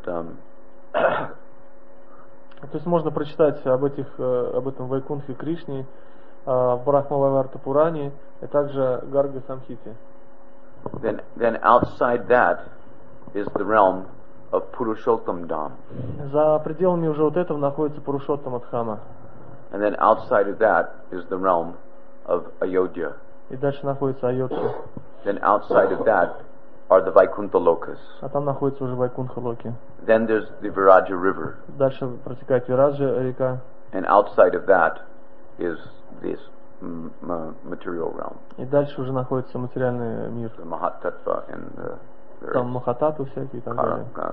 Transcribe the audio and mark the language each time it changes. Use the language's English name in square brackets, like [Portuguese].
[Russian] то есть можно прочитать об этих об этом Вайкунтхе Кришне в Брахмававарта Пуране и также Гарга Самхите. [English] Then outside that is the realm of Purushottam Dham. [Russian] За пределами уже вот этого находится Пурушоттама Дхама. [English] And then outside of that is the realm of Ayodhya. [Russian] И дальше находится Айодхи. [English] Then outside of that are the Vaikuntha Lokas. [Russian] А там находится уже Вайкунтха Локи. [English] Then there's the Viraja River. [Russian] Дальше протекает Вираджа река. [English] And outside of that is this material realm. [Russian] И дальше уже находится материальный мир. [English] The Mahatattva and the various [Russian] там Махататвы всякие и так далее.